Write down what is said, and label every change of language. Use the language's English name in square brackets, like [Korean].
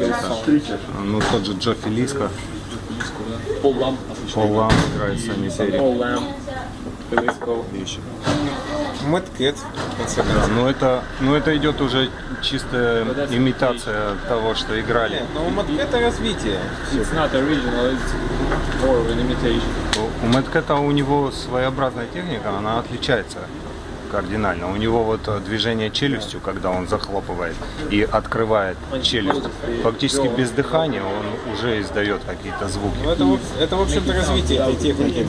[Russian] Это, ну, тот же Джо Филиско. Пол Ламп играет сами серии. Пол Ламп, Филиско. Мэткет, да, но это идет уже чистая имитация того, что играли. Но у Мэткета развитие. [English] It's not original, it's more of an imitation. [Russian] У Мэткета у него своеобразная техника, она отличается кардинально. У него вот движение челюстью, когда он захлопывает и открывает челюсть, фактически без дыхания он уже издает какие-то звуки. Это в общем-то развитие этой техники.